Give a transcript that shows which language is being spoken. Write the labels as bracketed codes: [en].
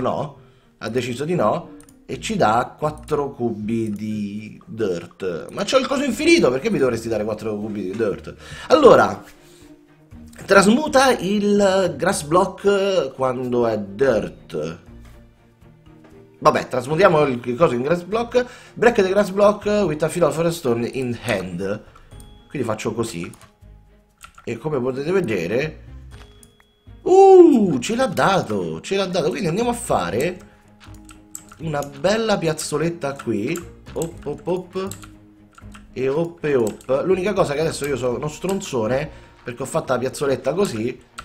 [it] No, ha deciso di no. E ci dà 4 cubi di dirt. Ma c'ho il coso infinito, perché mi dovresti dare 4 cubi di dirt? Allora, trasmuta il grass block quando è dirt. Vabbè, trasmutiamo il coso in grass block. [en] Break the grass block with a Philosopher's Stone in hand. [it] Quindi faccio così. E come potete vedere, ce l'ha dato! Ce l'ha dato. Quindi andiamo a fare una bella piazzoletta qui. Op, op, op. E op, op. L'unica cosa è che adesso io sono uno stronzone, perché ho fatto la piazzoletta così.